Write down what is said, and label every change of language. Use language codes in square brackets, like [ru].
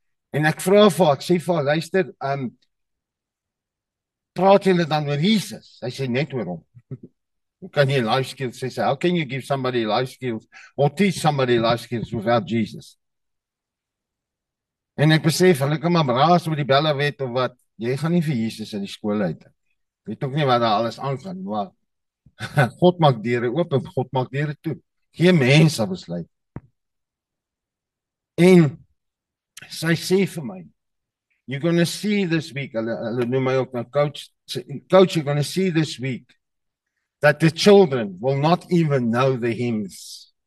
[af] En ek vra vir haar, ek sê vir haar, luister, praat julle dan oor Jesus? Sy sê net oor hom. Hoe kan jy life skills, sy sê, [en] how can you give somebody life skills, or teach somebody life skills without Jesus? [af] En ek besef, hulle kan maar braas oor die belle wet of wat, jy gaan nie vir Jesus in die skool uit. Weet ook nie wat daar alles aangaan, maar God maak deure oop en God maak deure toe. Geen mens sal besluit. En sy sê vir my, [en] you're going to see this week, [af] hulle noem my ook nou coach, [en] you're going to see this week that the children will not even know the hymns.